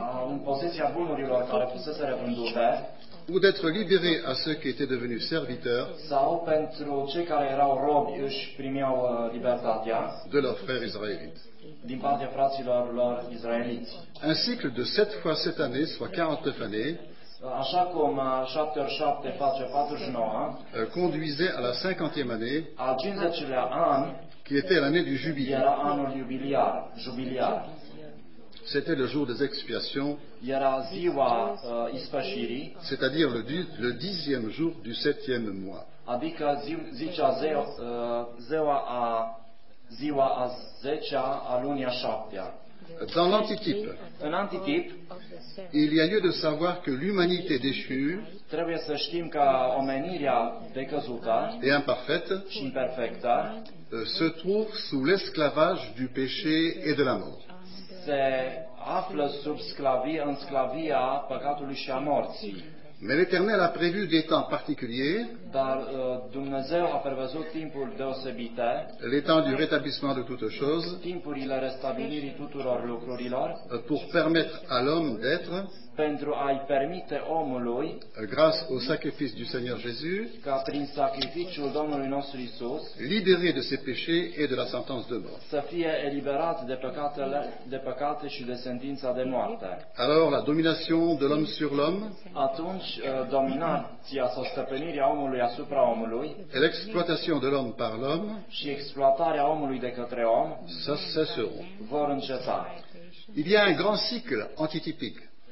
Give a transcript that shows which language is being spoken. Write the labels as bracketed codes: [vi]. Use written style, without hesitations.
[ro] în posesia bunurilor care fuseseră vândute, [fr] ou d'être libérés à ceux qui étaient devenus serviteurs, [ro] sau pentru cei care erau robi își primeau libertatea, [fr] de leurs frères israélites. [ro] Din partea fraților lor israeliți. [fr] Un cycle de 7 fois 7 années, soit 49 années, [ro] așa cum 7 ori 7 face 49, [fr] conduisait à la 50e année, [ro] al 50-lea an, [fr] qui était l'année du jubilé. [ro] Era anul jubiliar, jubiliar. [fr] C'était le jour des expiations, [ro] era ziua ispășirii, [fr] c'est-à-dire le 10e jour du 7e mois. [ro] Adică zicea ziua a 10-a a lunii a 7-a. [fr] Dans l'antitype, [ro] un antitip, [fr] il y a lieu de savoir que l'humanité déchue, [ro] trebuie să știm că omenirea decăzută [fr] et imparfaite, [ro] și imperfectă, [fr] se trouve sous l'esclavage du péché et de la mort. [ro] Se află sub sclavie, în sclavia păcatului și a morții. [fr] Mais l'Éternel a prévu des temps particuliers. [ro] Dar Dumnezeu a prevăzut timpuri deosebite. [fr] Les temps du rétablissement de toutes choses. [ro] Timpurile restabilirii tuturor lucrurilor. [fr] Pour permettre à l'homme d'être. [ro] Pentru a-i permite omului. [fr] Grâce au sacrifice du Seigneur Jésus. [ro] Ca prin sacrificiul Domnului nostru Isus. [fr] Libéré de ses péchés et de la sentence de mort. [ro] Să fie eliberat de păcatele, de păcate și de sentința de moarte. [fr] Alors la domination de l'homme sur l'homme. [ro] Atunci dominația sau stăpânirea omului asupra omului. [fr] Et l'exploitation de l'homme par l'homme. [ro] Și exploatarea omului de către om. [fr] Cesseront. [ro] Vor înceta. [fr] Il y a un grand cycle antitypique.